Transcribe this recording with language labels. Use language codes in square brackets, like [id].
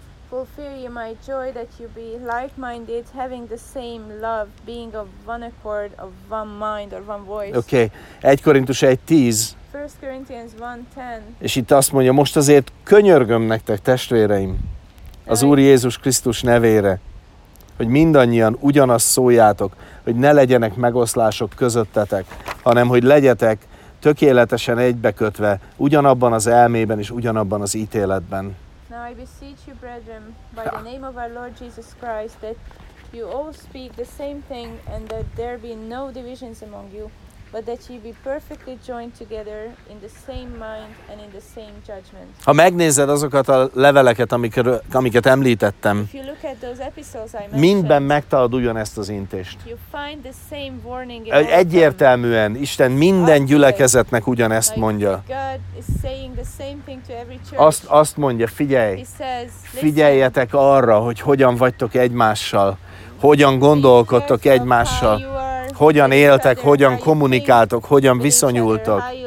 [en] Fulfill you my joy that you be like-minded, having the same love, being of one accord, of one mind or one voice. [hu] Okay, 1 Korintus 1:10. [en] 1 Corinthians 1:10. [hu] És itt azt mondja, most azért könyörgöm nektek, testvéreim, az Úr Jézus Krisztus nevére, hogy mindannyian ugyanazt szóljátok, hogy ne legyenek megoszlások közöttetek, hanem hogy legyetek tökéletesen egybekötve, ugyanabban az elmében és ugyanabban az ítéletben. [en] Now I beseech you, brethren, by the name of our Lord Jesus Christ, that you all speak the same thing, and that there be no divisions among you, but that ye be perfectly joined together in the same mind and in the same judgment. [hu] Ha megnézed azokat a leveleket, amiket említettem, [en] if you look at those episodes I mentioned, [hu] mindben megtalad ugyanezt az intést. [en] You find the same warning. [hu] Egyértelműen, Isten minden gyülekezetnek ugyanezt mondja. [en] God is saying the same thing to every church. [hu] Azt mondja, figyelj, figyeljetek arra, hogy hogyan vagytok egymással, hogyan gondolkodtok egymással, hogyan éltek, hogyan kommunikáltok, hogyan viszonyultok.